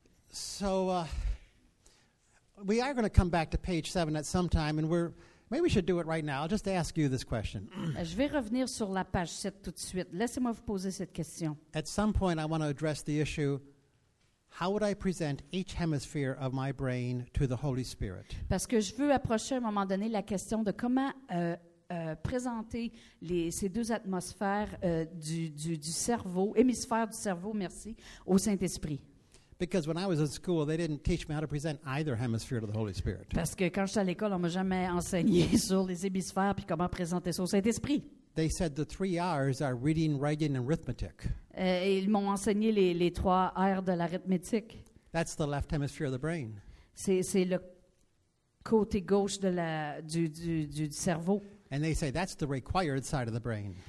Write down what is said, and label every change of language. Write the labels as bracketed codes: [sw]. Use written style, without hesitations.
[en] So, we are going to come back to page 7 at some time, and maybe we should do it right now. I'll just ask you this question. [fr] Je vais revenir sur la page 7 tout de suite. Laissez-moi vous poser cette question. [en] At some point, I want to address the issue. How would I present each hemisphere of my brain to the Holy Spirit? [fr] Parce que je veux approcher à un moment donné la question de comment présenter ces deux atmosphères du cerveau, hémisphère du cerveau, merci, au Saint-Esprit. [en] Because when I was in school, they didn't teach me how to present either hemisphere to the Holy Spirit. [fr] Parce que quand j'étais à l'école, on m'a jamais enseigné sur les hémisphères puis comment présenter son Saint-Esprit. [en] They said the three R's are reading, writing, and arithmetic. [fr] Ils m'ont enseigné les trois R de l'arithmétique. [en] That's the left hemisphere of the brain. [fr] C'est le côté gauche de la du cerveau. [en] And they say that's the required side of the brain.